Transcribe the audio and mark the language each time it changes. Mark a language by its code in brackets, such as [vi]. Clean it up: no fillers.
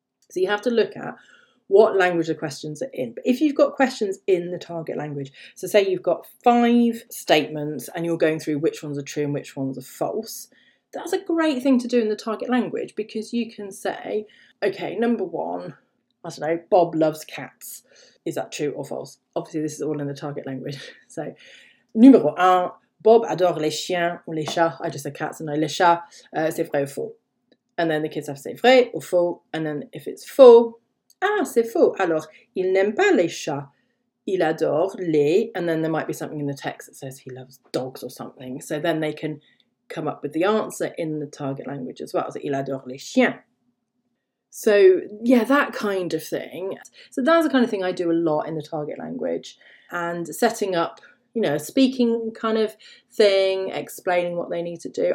[en] So you have to look at what language the questions are in. But if you've got questions in the target language, so say you've got five statements and you're going through which ones are true and which ones are false, that's a great thing to do in the target language because you can say, okay, number one, I don't know, Bob loves cats. Is that true or false? Obviously, this is all in the target language. [fr] So, numéro un, Bob adore les chiens ou les chats. [en] I just said cats and no, [fr] les chats. C'est vrai ou faux? [en] And then the kids have to say [fr] vrai ou faux. [en] And then if it's [fr] faux, ah, c'est faux. Alors, il n'aime pas les chats. Il adore les. [en] And then there might be something in the text that says he loves dogs or something. So then they can come up with the answer in the target language as well. So, [fr] il adore les chiens. [en] So, yeah, that kind of thing. So that's the kind of thing I do a lot in the target language. And setting up, you know, a speaking kind of thing, explaining what they need to do.